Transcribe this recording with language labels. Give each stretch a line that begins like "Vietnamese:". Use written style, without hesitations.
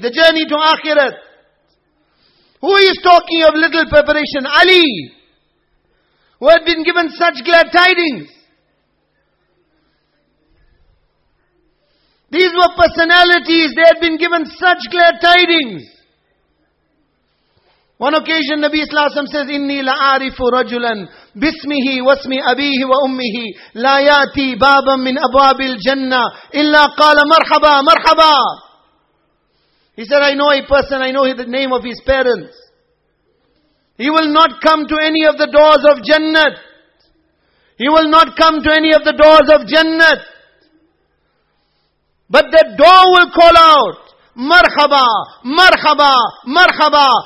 English: The journey to Akhirat. Who is talking of little preparation? Ali, who had been given such glad tidings. These were personalities, they had been given such glad tidings.
Arabic: One occasion, Nabi Sallallahu Alaihi Wasallam says, إِنِّي لَعَارِفُ رَجُلًا بِسْمِهِ وَاسْمِ أَبِيهِ وَأُمِّهِ لَا يَأْتِي بَابًا مِّنْ أَبْوَابِ الْجَنَّةِ إِلَّا قَالَ مَرْحَبًا مَرْحَبًا.
English: He said, I know a person, I know the name of his parents. He will not come to any of the doors of Jannat. He will not come to any of the doors of Jannat. But that door will call out, Marhaba, marhaba, marhaba.